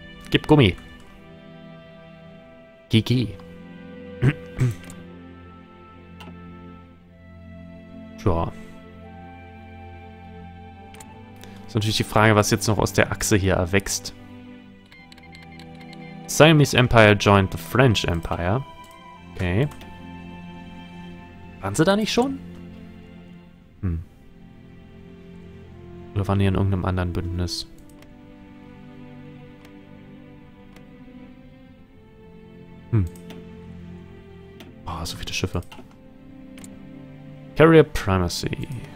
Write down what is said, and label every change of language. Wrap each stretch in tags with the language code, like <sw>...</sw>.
<de>Gib Gummi. GG. Ja. Ist natürlich die Frage, was jetzt noch aus der Achse hier erwächst.</de> <en>Siamese Empire joined the French Empire.</en> <de>Okay. Waren sie da nicht schon? Oder waren die in irgendeinem anderen Bündnis? Oh, so viele Schiffe. Carrier Primacy.</de>